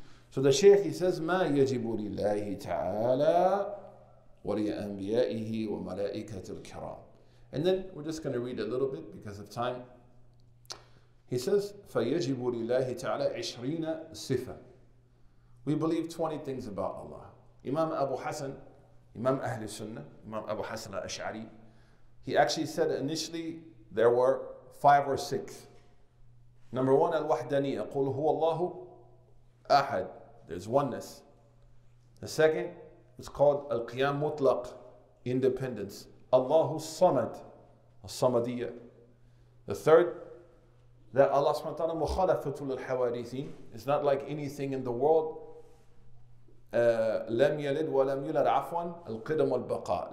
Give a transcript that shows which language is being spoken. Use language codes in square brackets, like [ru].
[en] So the Shaykh, he says, [ar] مَا يَجِبُ لِلَّهِ تَعَالَى ولأنبيائه وملائكة الكرام. [en] And then we're just going to read a little bit because of time. He says, [ar] فيجب لله تعالى 20 صفة. [en] We believe 20 things about Allah. Imam Abu Hassan, Imam Ahl Sunnah, Imam Abu Hassan al-Ash'ari, he actually said initially there were 5 or 6. Number one, [ar] الوحدانية, قل هو الله أحد. [en] There's oneness. The second, it's called Al-Qiyam Mutlaq, independence. Allahu Samad, Al-Samadiyya. The third, that Allah subhanahu wa ta'ala mukhalafatul al-hawadithin. It's not like anything in the world. [ar] Lam yalid wa lam yulad [en] afwan, al-qidam al-baqa.